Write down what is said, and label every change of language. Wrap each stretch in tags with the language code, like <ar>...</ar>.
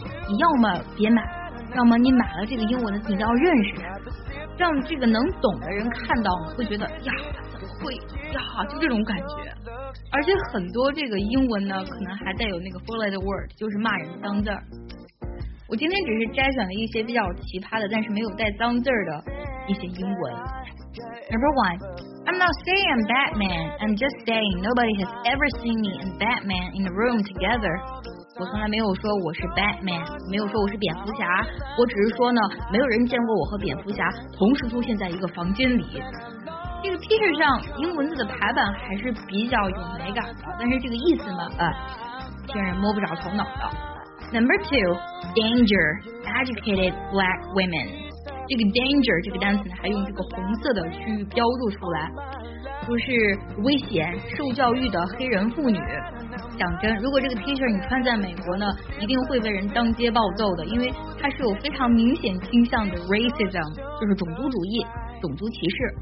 <zh>你要么别买，要么你买了这个英文的字，你都要认识它，让这个能懂的人看到呢，会觉得呀，怎么会呀，就这种感觉。而且很多这个英文呢，可能还带有那个 four letter word， 就是骂人脏字儿。我今天只是摘选了一些比较奇葩的，但是没有带脏字儿的一些英文。</zh> <en>Number one, I'm not saying I'm Batman. I'm just saying nobody has ever seen me and Batman in a room together.</en> <zh>我从来没有说我是 Batman， 没有说我是蝙蝠侠，我只是说呢，没有人见过我和蝙蝠侠同时出现在一个房间里。这个 T 恤上英文字的排版还是比较有美感的，但是这个意思嘛，让人摸不着头脑的。</zh> <en>Number two, danger, educated black women.</en> <zh>这个 danger 这个单词呢，还用这个红色的去标注出来，就是危险、受教育的黑人妇女。讲真，如果这个 T 恤你穿在美国呢，一定会被人当街暴揍的，因为它是有非常明显倾向的 racism， 就是种族主义、种族歧视。</zh>